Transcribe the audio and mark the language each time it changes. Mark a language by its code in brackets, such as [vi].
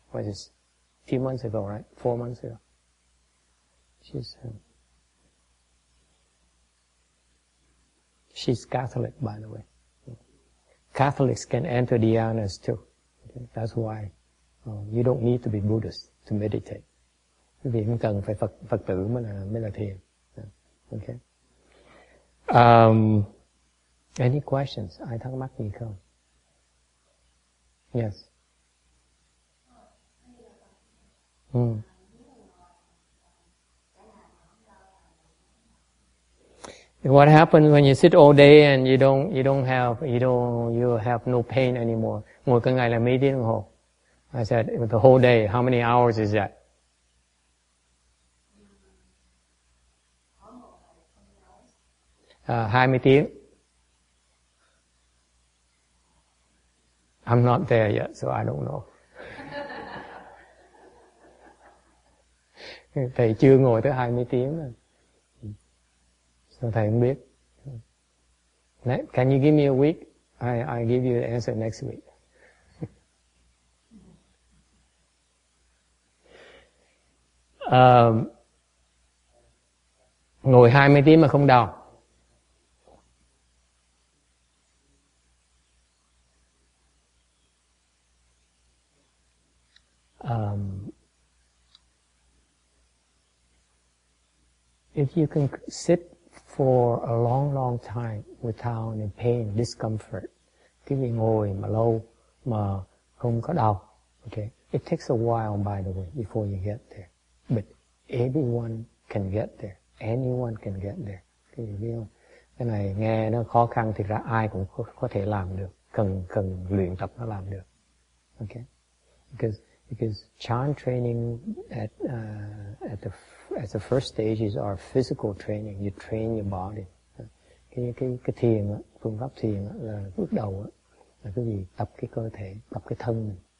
[en] Was it a few months ago, right? 4 months ago. She's Catholic, by the way. Catholics can enter dhyanas too. That's why you don't need to be Buddhist to meditate. [vi] quý vị không cần phải Phật tử mới là thiền. [en] Ok. Any questions? [vi] Ai thắc mắc gì không? Yes. [en] What happens when you sit all day and you have no pain anymore? [vi] Ngồi cả ngày là mấy tiếng đồng hồ? [en] I said, the whole day, how many hours is that? [vi] Hai mươi tiếng. [en] I'm not there yet, so I don't know. [vi] Thầy chưa ngồi tới 20 tiếng rồi. So thầy không biết. [en] Can you give me a week? I give you the answer next week. [vi] Ngồi 20 tiếng mà không đau. [en] If you can sit for a long, long time without any pain, discomfort, [vi] quý vị ngồi mà lâu mà không có đau, [en] okay? It takes a while, by the way, before you get there. But everyone can get there. Anyone can get there. [vi] Quý vị biết không? Cái này nghe nó khó khăn, thực ra ai cũng có thể làm được. Cần luyện tập nó làm được. [en] Okay? Because chan training at the first stage is our physical training. You train your body. [vi] Cái thiền á, phương pháp thiền á, là bước đầu á, là cái gì? Tập cái cơ thể, tập cái thân mình.